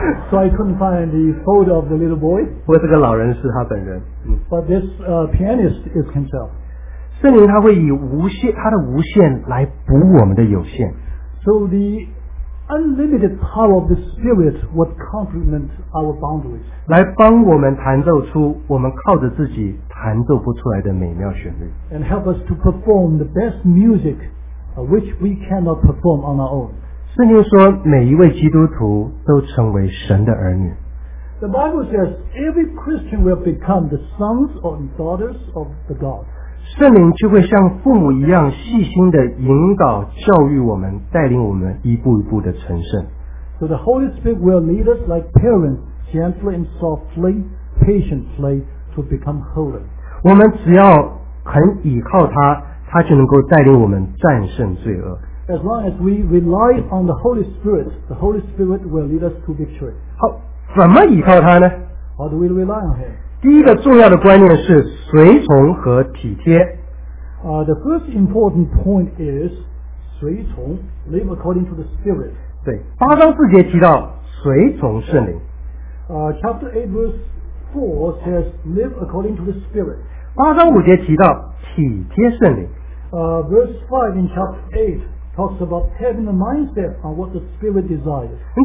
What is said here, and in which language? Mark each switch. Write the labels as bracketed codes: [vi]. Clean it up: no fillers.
[en] So I couldn't find the photo of the little boy. [zh] 不过这个老人是他本人。 [en] But this pianist is himself. [zh] 圣灵他会以他的无限来补我们的有限。 [en] So the unlimited power of the Spirit would complement our boundaries. [zh] 来帮我们弹奏出我们靠着自己弹奏不出来的美妙旋律。 [en] And help us to perform the best music which we cannot perform on our own. [zh] 圣经说每一位基督徒都成为神的儿女。 [en] The Bible says every Christian will become the sons or daughters of the God. [zh] 圣灵就会像父母一样细心地引导教育我们，带领我们一步一步地成圣。 [en] So the Holy Spirit will lead us like parents, gently and softly, patiently,to become holy. [zh] 我们只要肯倚靠他，他就能够带领我们战胜罪恶。 [en] As long as we rely on the Holy Spirit will lead us to victory. [zh] 好，怎么倚靠他呢？ [en] How do we rely on him? [zh] 第一个重要的观念是随从和体贴。 [en] The first important point is 随从 live according to the Spirit. [zh] 对，八章四节提到随从圣灵。 [en] Chapter 8 verse 4 says live according to the Spirit. [zh] 八章五节提到体贴圣灵。 [en] Verse 5 in chapter 8 talks about having a mindset on what the Spirit desires.